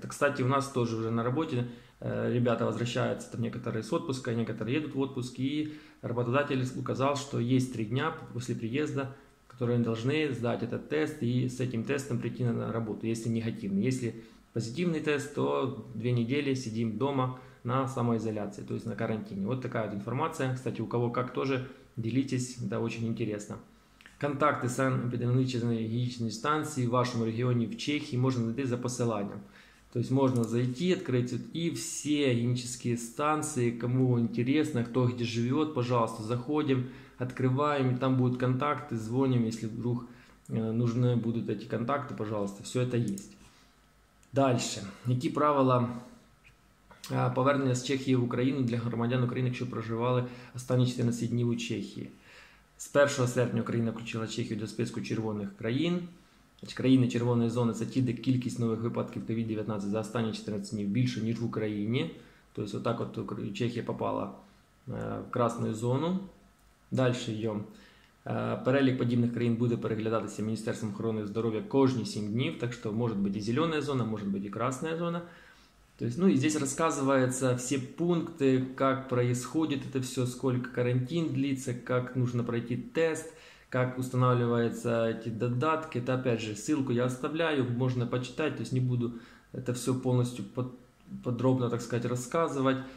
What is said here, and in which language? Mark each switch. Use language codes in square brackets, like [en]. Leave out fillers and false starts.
[ru] Так, кстати, у нас тоже уже на работе ребята возвращаются, там некоторые с отпуска, некоторые едут в отпуск, и работодатель указал, что есть 3 дня после приезда, которые они должны сдать этот тест и с этим тестом прийти на работу, если негативный. Если позитивный тест, то 2 недели сидим дома на самоизоляции, то есть на карантине. Вот такая вот информация. Кстати, у кого как тоже, делитесь, это очень интересно. [uk] Контакти санепідемічної гігієнічної станції в вашому регіоні в Чехії можна знайти за посиланням. Тобто можна зайти, відкрити і всі гігієнічні станції, кому цікаво, хто де живе, пожалуйста, заходимо, відкриваємо, там будуть контакти, дзвонимо, якщо вдруг потрібні будуть ці контакти, пожалуйста, все це є. Далі. Які правила повернення з Чехії в Україну для громадян України, якщо проживали останні 14 днів у Чехії? З 1 серпня Україна включила Чехію до списку червоних країн. Країни червоної зони – це ті, де кількість нових випадків COVID-19 за останні 14 днів більше, ніж в Україні. Тобто отак от Чехія попала в красну зону. Далі йдемо. Перелік подібних країн буде переглядатися Міністерством охорони здоров'я кожні 7 днів. Так що може бути і зелена зона, може бути і красна зона. [ru] То есть, ну и здесь рассказывается все пункты, как происходит это все, сколько карантин длится, как нужно пройти тест, как устанавливаются эти додатки. Это опять же, ссылку я оставляю, можно почитать, то есть не буду это все полностью подробно, так сказать, рассказывать.